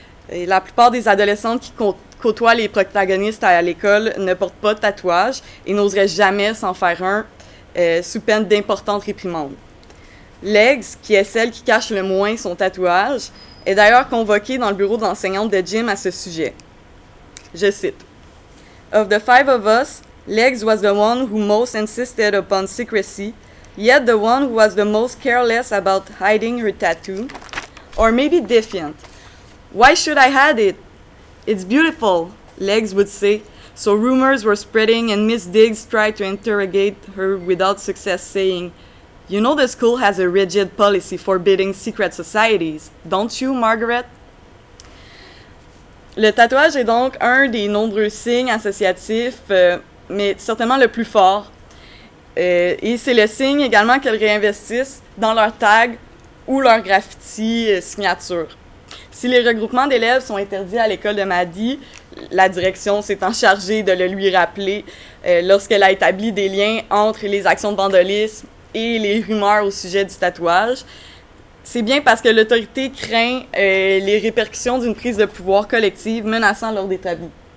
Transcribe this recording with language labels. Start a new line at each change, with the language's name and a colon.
French: Et la plupart des adolescentes qui côtoient les protagonistes à l'école ne portent pas de tatouage et n'oseraient jamais s'en faire un, sous peine d'importantes réprimandes. Legs, qui est celle qui cache le moins son tatouage, est d'ailleurs convoquée dans le bureau d'enseignante de gym à ce sujet. Je cite.
English: Of the five of us, Legs was the one who most insisted upon secrecy, yet the one who was the most careless about hiding her tattoo, or maybe defiant. Why should I have it? It's beautiful, Legs would say. So rumors were spreading and Miss Diggs tried to interrogate her without success, saying, you know the school has a rigid policy forbidding secret societies, don't you, Margaret?
French: Le tatouage est donc un des nombreux signes associatifs, mais certainement le plus fort. Et c'est le signe également qu'elles réinvestissent dans leur tag ou leur graffiti signature. Si les regroupements d'élèves sont interdits à l'école de Maddy, la direction s'étant chargée de le lui rappeler lorsqu'elle a établi des liens entre les actions de vandalisme et les rumeurs au sujet du tatouage, c'est bien parce que l'autorité craint les répercussions d'une prise de pouvoir collective menaçant l'ordre établi.